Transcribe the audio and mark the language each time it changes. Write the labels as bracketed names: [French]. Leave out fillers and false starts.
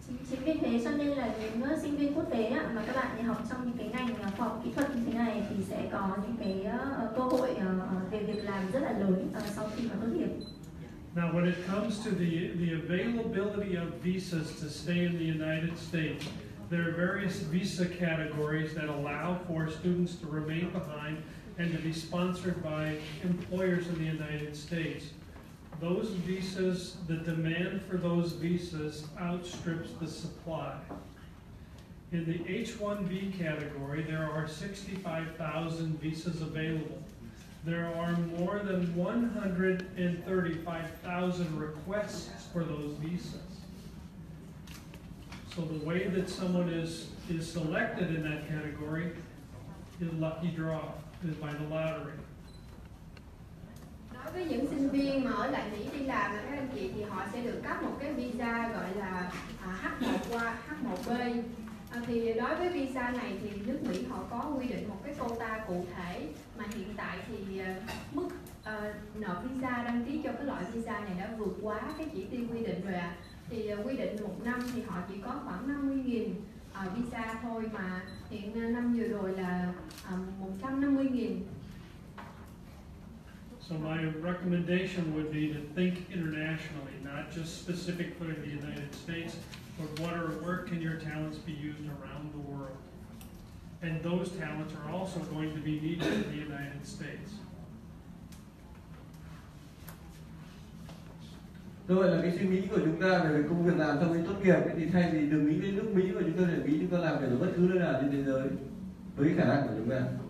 [Vietnamese] Chính vì thế cho nên là những sinh viên quốc tế mà các bạn học trong những cái ngành khoa học kỹ thuật như thế này thì sẽ có những cái cơ hội về việc làm rất là lớn sau khi mà tốt nghiệp. [English] Now when it comes to the availability of visas to stay in the United States, there are various visa categories that allow for students to remain behind and to be sponsored by employers in the United States. Those visas, the demand for those visas outstrips the supply. In the H-1B category, there are 65,000 visas available. There are more than 135,000 requests for those visas. So the way that someone is selected in that category is lucky draw, is by the lottery. [Vietnamese] Đối với những sinh viên mà ở lại Mỹ đi làm các anh chị thì họ sẽ được cấp một cái visa gọi là H1B. Thì đối với visa này thì nước Mỹ họ có quy định một cái quota cụ thể, mà hiện tại thì mức nộp visa đăng ký cho cái loại visa này đã vượt quá cái chỉ tiêu quy định rồi ạ. Thì quy định một năm thì họ chỉ có khoảng 50.000 visa thôi, mà hiện năm vừa rồi là 150.000. [English] So my recommendation would be to think internationally, not just specific for the United States, but what or where can your talents be used around the world? And those talents are also going to be needed in the United States. [Vietnamese] Do vậy là cái suy nghĩ của chúng ta về công việc làm sau khi tốt nghiệp thì thay vì đừng nghĩ đến nước Mỹ mà chúng ta phải nghĩ chúng ta làm việc ở bất cứ nơi nào trên thế giới với khả năng của chúng ta.